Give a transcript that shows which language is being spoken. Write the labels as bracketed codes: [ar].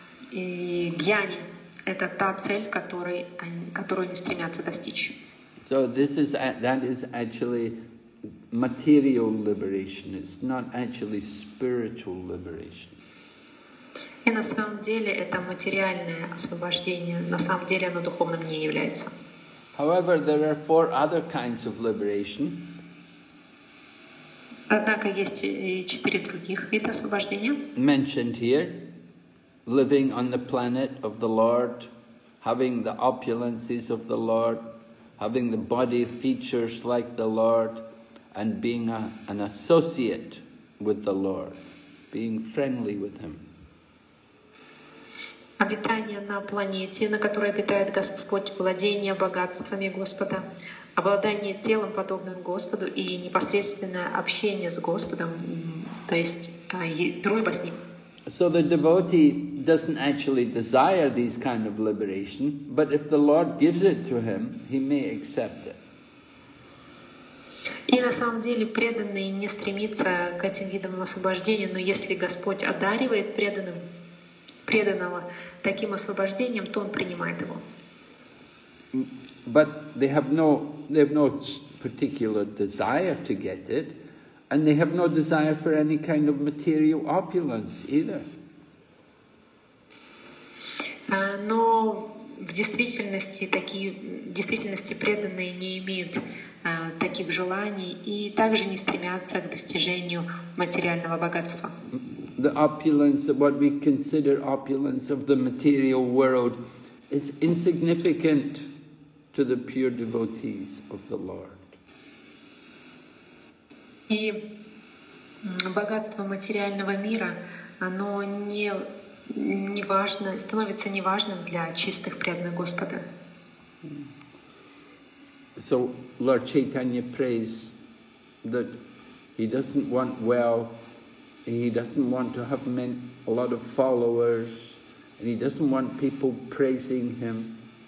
[ru] И гьяни — это та цель, которую они стремятся достичь. [en] So this is, that is actually material liberation. It's not actually spiritual liberation. [ru] И на самом деле это материальное освобождение. На самом деле оно духовным не является. [en] However, there are four other kinds of liberation. [ru] Однако есть и четыре других вида освобождения. [en] Mentioned here. Living on the planet of the Lord, having the opulences of the Lord, having the body features like the Lord, and being an associate with the Lord, being friendly with Him. [ru] Обитание на планете, на которой обитает Господь, владение богатствами Господа, обладание телом, подобным Господу, и непосредственное общение с Господом, то есть дружба с Ним. [en] So the devotee doesn't actually desire these kind of liberation, but if the Lord gives it to him, he may accept it. [ru] И на самом деле преданный не стремится к этим видам освобождения, но если Господь одаривает преданного таким освобождением, то он принимает его. [en] But they have no particular desire to get it. And they have no desire for any kind of material opulence either. [ru] Но в действительности преданные не имеют таких желаний и также не стремятся к достижению материального богатства. [en] The opulence, what we consider opulence of the material world, is insignificant to the pure devotees of the Lord. [ru] И богатство материального мира, оно не важно, становится неважным для чистых преданных Господа. [en] So Lord Chaitanya prays that he doesn't want wealth, he doesn't want to have many, a lot of followers, and he doesn't want people praising him.